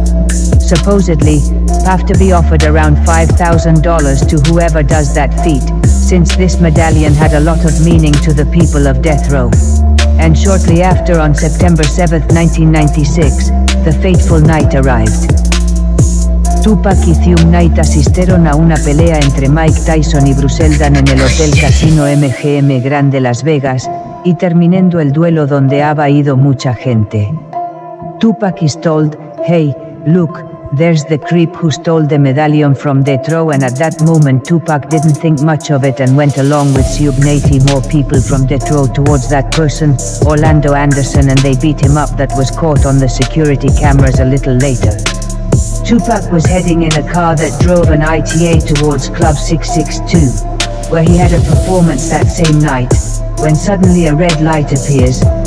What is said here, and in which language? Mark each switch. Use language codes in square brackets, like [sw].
[en] Supposedly, have to be offered around $5,000 to whoever does that feat, since this medallion had a lot of meaning to the people of Death Row. And shortly after, on September 7, 1996, the fateful night arrived. [es] Tupac y Suge Knight asistieron a una pelea entre Mike Tyson y Bruce Seldon en el Hotel Casino MGM Grande Las Vegas, y terminando el duelo donde había ido mucha gente. [en] Tupac is told, hey, look, there's the creep who stole the medallion from Death Row, and at that moment Tupac didn't think much of it and went along with Suge Knight and more people from Death Row towards that person, Orlando Anderson, and they beat him up. That was caught on the security cameras a little later. Tupac was heading in a car that drove an ITA towards Club 662, where he had a performance that same night, when suddenly a red light appears,